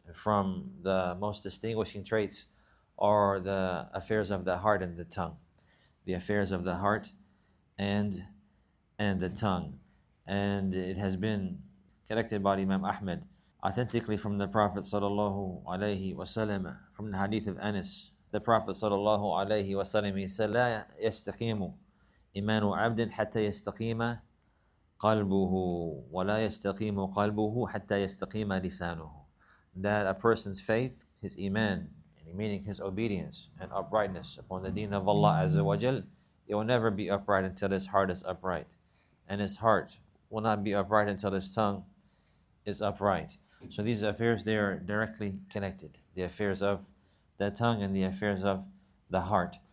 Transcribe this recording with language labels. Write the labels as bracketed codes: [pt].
[en] From the most distinguishing traits are the affairs of the heart and the tongue. The affairs of the heart and the tongue. And it has been collected by Imam Ahmed authentically from the Prophet sallallahu alayhi wa sallam, from the hadith of Anas. The Prophet sallallahu alayhi wa sallam, he said, [ar] "La yastakimu إيمان عبد حتى يستقيم قلبه ولا يستقيم قلبه حتى يستقيم لسانه." [en] That a person's faith, his iman, meaning his obedience and uprightness upon the deen of Allah Azza wa Jal, it will never be upright until his heart is upright. And his heart will not be upright until his tongue is upright. So these affairs, they are directly connected. The affairs of the tongue and the affairs of the heart.